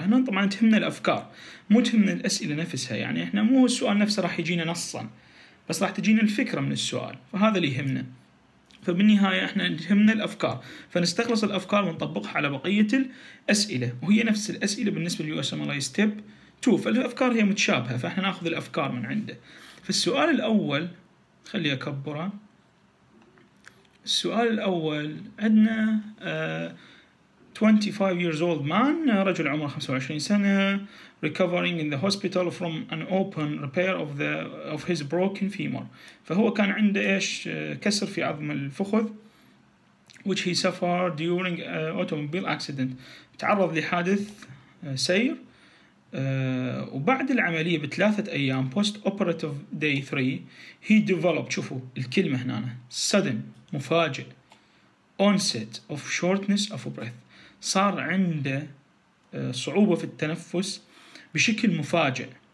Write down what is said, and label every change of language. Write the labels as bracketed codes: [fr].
[ar] هنا طبعا تهمنا الأفكار مو تهمنا الأسئلة نفسها، يعني إحنا مو السؤال نفسه راح يجينا نصا بس راح تجينا الفكرة من السؤال، فهذا اللي يهمنا. فبالنهاية إحنا تهمنا الأفكار فنستخلص الأفكار ونطبقها على بقية الأسئلة، وهي نفس الأسئلة بالنسبة USMLE Step 2، فالأفكار هي متشابهة فإحنا نأخذ الأفكار من عنده. فالسؤال الأول خلي أكبره، السؤال الأول عندنا [en] 25 years old man، [ar] رجل عمره 25 سنة، [en] recovering in the hospital from an open repair of the of his broken femur. [ar] فهو كان عنده إيش كسر في عظم الفخذ، [en] which he suffered during automobile accident، [ar] تعرض لحادث سير. وبعد العملية بثلاثة أيام [en] post operative day 3 he developed، [ar] شوفوا الكلمة هنا [en] sudden [ar] مفاجئ [en] onset of shortness of breath، [ar] صار عنده صعوبة في التنفس بشكل مفاجئ،